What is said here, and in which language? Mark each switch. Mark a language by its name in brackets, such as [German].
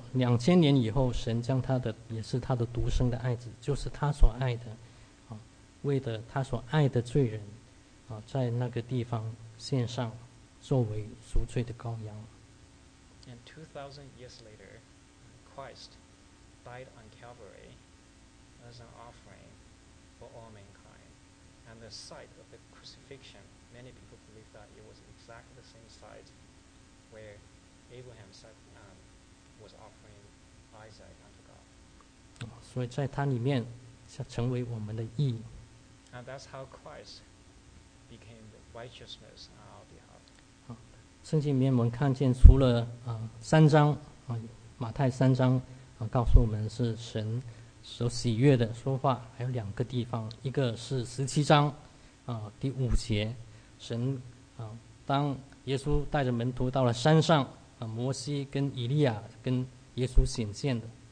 [Chinese] 两千年以后，神将他的也是他的独生的爱子，就是他所爱的，为的他所爱的罪人，在那个地方献上，作为赎罪的羔羊。 [English] And 2,000 years later, Christ died on Calvary as an offering for all mankind. And the the site of the crucifixion, many people believe that it was exactly the same site where Abraham was offering Isaac unto God. [Chinese] 所以在他里面成为我们的义。 [English] And that's how Christ became the righteousness on our behalf. [Chinese] 圣经里面我们看见除了三章马太三章告诉我们是神所喜悦的说话，还有两个地方，一个是十七章第五节，神当耶稣带着门徒到了山上摩西跟以利亚跟耶稣显现的。